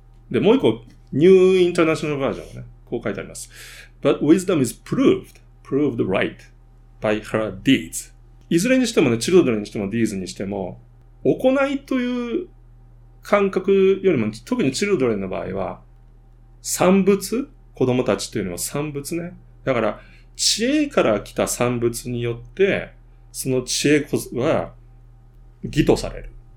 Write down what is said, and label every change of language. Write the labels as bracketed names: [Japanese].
[Japanese] で、もう一個、New International Version ね。こう書いてあります。 [English] but wisdom is proved right by her deeds. [Japanese] いずれにしてもね、チルドレンにしてもディーズにしても、行いという感覚よりも、特にチルドレンの場合は、産物、子供たちというのは産物ね。だから、知恵から来た産物によって、その知恵こそは、義とされる。